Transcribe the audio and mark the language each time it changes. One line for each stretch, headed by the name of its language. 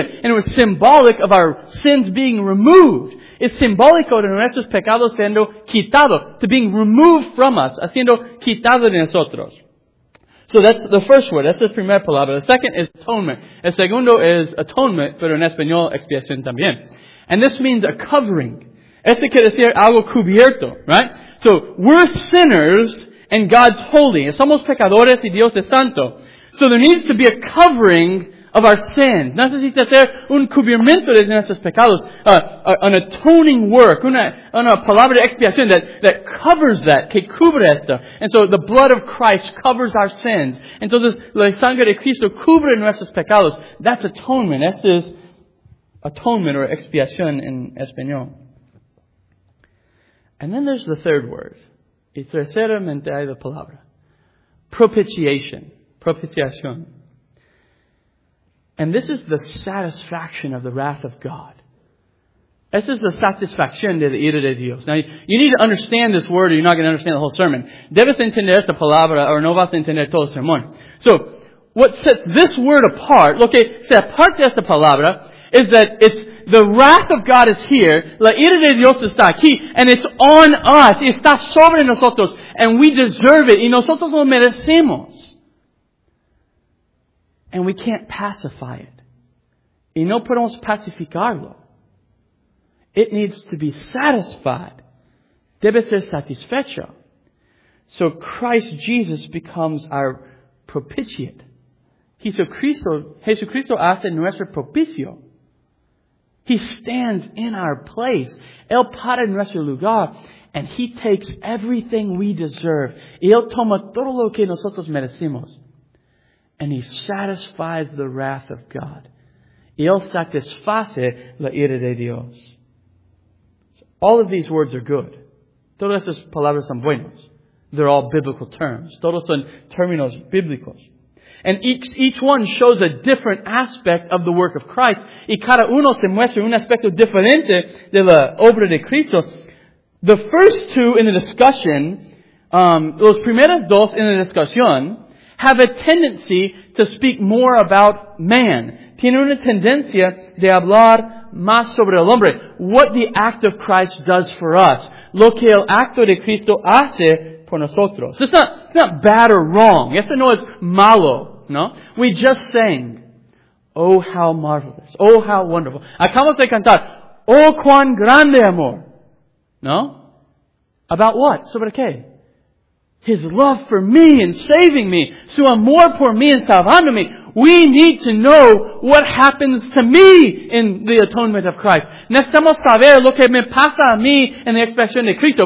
English: And it was symbolic of our sins being removed. It's
Spanish: simbólico de nuestros pecados siendo quitado,
English: to being removed from us,
Spanish: haciendo quitado de nosotros.
English: So that's the first word. That's the
Spanish: primera palabra.
English: The second is atonement.
Spanish: El segundo is atonement, pero en español, expiación también.
English: And this means a covering.
Spanish: Este quiere decir algo cubierto, right?
English: So we're sinners, and God's holy.
Spanish: Somos pecadores y Dios es santo.
English: So there needs to be a covering of our sin.
Spanish: Necesita ser un cubrimiento de nuestros pecados.
English: An atoning work.
Spanish: Una palabra de expiación
English: that covers that.
Spanish: Que cubre esto.
English: And so the blood of Christ covers our sins.
Spanish: Entonces la sangre de Cristo cubre nuestros pecados.
English: That's atonement.
Spanish: Eso es atonement or expiación en español.
English: And then there's the third word.
Spanish: Y terceramente hay la palabra propitiation, propiciación.
English: And this is the satisfaction of the wrath of God.
Spanish: Esa es la satisfacción de la ira de Dios.
English: Now, you need to understand this word or you're not going to understand the whole sermon.
Spanish: Debes entender esta palabra o no vas a entender todo el sermón.
English: So, what sets this word apart,
Spanish: lo que se aparta esta palabra,
English: is that it's the wrath of God is here,
Spanish: la ira de Dios está aquí,
English: and it's on us,
Spanish: está sobre nosotros,
English: and we deserve it,
Spanish: y nosotros lo merecemos.
English: And we can't pacify it.
Spanish: Y no podemos pacificarlo.
English: It needs to be satisfied.
Spanish: Debe ser satisfecho.
English: So Christ Jesus becomes our propitiate.
Spanish: Jesucristo hace nuestro propicio.
English: He stands in our place.
Spanish: Él para en nuestro lugar.
English: And He takes everything we deserve.
Spanish: Y Él toma todo lo que nosotros merecemos.
English: And He satisfies the wrath of God.
Spanish: Y Él satisface la ira de Dios.
English: So all of these words are good.
Spanish: Todas esas palabras son buenas.
English: They're all biblical terms.
Spanish: Todos son términos bíblicos.
English: And each one shows a different aspect of the work of Christ.
Spanish: Y cada uno se muestra un aspecto diferente de la obra de Cristo.
English: The first two in the discussion,
Spanish: los primeros dos en la discusión,
English: have a tendency to speak more about man.
Spanish: Tienen una tendencia de hablar más sobre el hombre.
English: What the act of Christ does for us.
Spanish: Lo que el acto de Cristo hace por nosotros.
English: It's not bad or wrong.
Spanish: Esto no es malo.
English: No, we just sang, "Oh how marvelous, oh how wonderful."
Spanish: Acabamos de cantar, "Oh cuán grande amor."
English: No, about what?
Spanish: Sobre qué?
English: His love for me and saving me,
Spanish: su amor por mí
English: and salvando me. We need to know what happens to me in the atonement of Christ.
Spanish: Necesitamos saber lo que me pasa a mí en la expiación de Cristo.